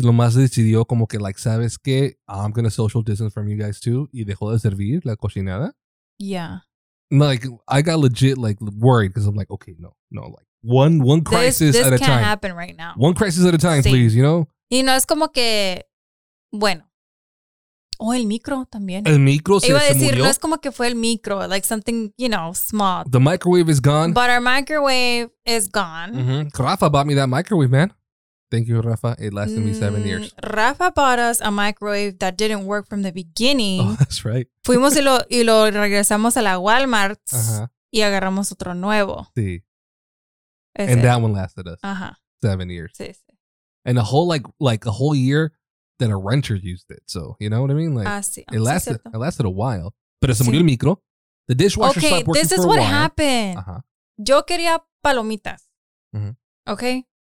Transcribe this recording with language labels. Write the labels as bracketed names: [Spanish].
[Spanish] Lo más decidió como que, like, ¿sabes qué? [English] I'm gonna social distance from you guys, too. [Spanish] Y dejó de servir la cocinada. [English] Yeah. Like, I got legit, like, worried because I'm like, okay, no, like, one crisis at a time. This can't happen right now. One crisis at a time, sí. Please, you know? [Spanish] Y no, es como que, bueno. Oh, el micro también. El micro se murió. Iba a decir, no es como que fue el micro, [English] like something, you know, small. The microwave is gone. But our microwave is gone. Mm-hmm. Rafa bought me that microwave, man. Thank you, Rafa. It lasted me 7 years. Rafa bought us a microwave that didn't work from the beginning. Oh, that's right. [Spanish] Fuimos y lo regresamos a la Walmart y agarramos otro nuevo. [English] Sí. And that one lasted us 7 years. [Spanish] Sí, sí. [English] And a whole, like a whole year that a renter used it. So, you know what I mean? Like, it lasted a while. [Spanish] Pero se murió el micro. [English] The dishwasher stopped working for a while. Okay, this is what happened. Uh-huh. [Spanish] Yo quería palomitas. [English] Mm-hmm. Okay.